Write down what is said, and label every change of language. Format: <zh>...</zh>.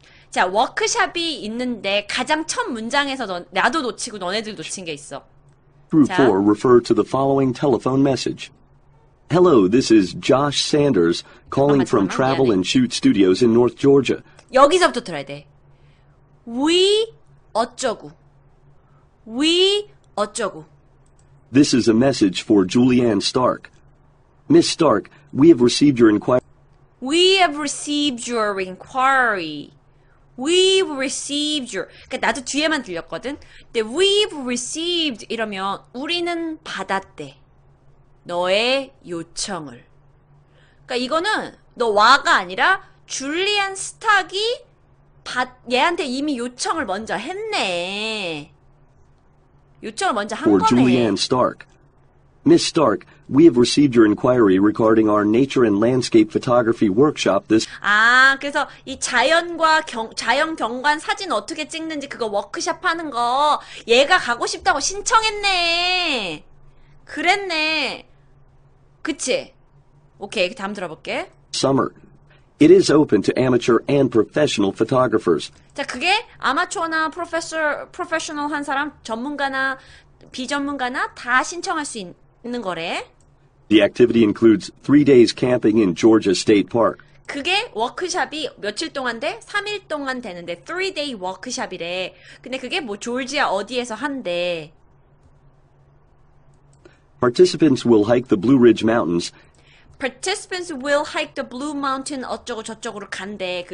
<ko>자, 워크샵이 있는데 가장 첫 문장에서 나도 놓치고 너네들 놓친 게 있어.</ko> <en>Through</en> <ko>자.</ko> <en>four, refer to the following telephone message. Hello, this is Josh Sanders calling from</en> <ko>잠깐만.</ko> <en>Travel</en> <ko>미안해.</ko> <en>and Shoot Studios in North Georgia.</en> <ko>여기서부터 들어야 돼. We 어쩌고. We 어쩌고.</ko> <en>This is a message for Julianne Stark. Miss Stark, we have received your inquiry. We have received your inquiry. We've received your.</en> <ko>그러니까 나도 뒤에만 들렸거든. 근데</ko> <en>we've received</en> <ko>이러면 우리는 받았대. 너의 요청을. 그러니까 이거는 너 와가 아니라 줄리안 스탁이 얘한테 이미 요청을 먼저 했네. 요청을 먼저 한</ko> <en>For Julianne</en> <ko>거네.</ko> <en>Stark. Miss Stark, we have received your inquiry regarding our nature and landscape photography workshop this.</en> <ko>아, 그래서 이 자연 경관 사진 어떻게 찍는지 그거 워크샵 하는 거 얘가 가고 싶다고 신청했네. 그랬네. 그치? 오케이, 다음 들어볼게.</ko> <en>Summer. It is open to amateur and professional photographers.</en> <ko>자, 그게 아마추어나 프로페셔널 한 사람, 전문가나 비전문가나 다 신청할 수 있는 거래.</ko> <en>The activity includes 3 days camping in Georgia State Park.</en> <ko>그게 워크샵이 며칠 동안 돼? 3일 동안 되는데 3-day 워크샵이래. 근데 그게 뭐 조지아 어디에서 한대.</ko> <en>Participants will hike the Blue Ridge Mountains. Participants will hike the Blue Mountain</en> <ko>어쩌고 저쩌고로 간대.</ko>